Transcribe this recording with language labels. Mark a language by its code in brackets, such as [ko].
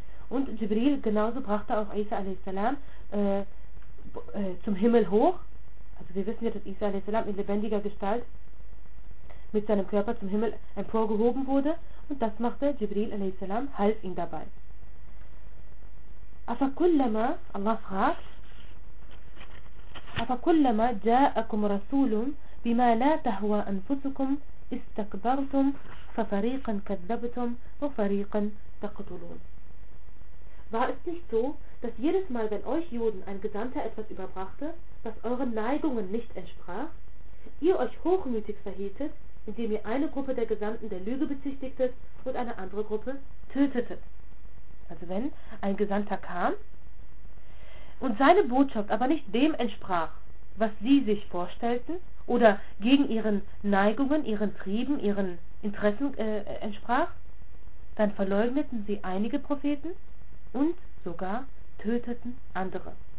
[de] Und Jibril genauso brachte auch Isa a.s. Zum Himmel hoch. Also wir wissen ja, dass Isa a.s. in lebendiger Gestalt mit seinem Körper zum Himmel emporgehoben wurde. Und das machte Jibril a.s. half ihm dabei. [ar] Afakullama, [de] Allah fragt, [ar] Afakullama ja'akum rasulum, بما لا تهوى أنفسكم استكبرتم ففريقا كذبتم وفريقا تقتلون. [de] War es nicht so, dass jedes Mal, wenn euch Juden ein Gesandter etwas überbrachte, was euren Neigungen nicht entsprach, ihr euch hochmütig verhieltet, indem ihr eine Gruppe der Gesandten der Lüge bezichtigtet und eine andere Gruppe tötetet? Also wenn ein Gesandter kam und seine Botschaft aber nicht dem entsprach, was sie sich vorstellten, oder gegen ihren Neigungen, ihren Trieben, ihren Interessen entsprach, dann verleugneten sie einige Propheten und sogar töteten andere.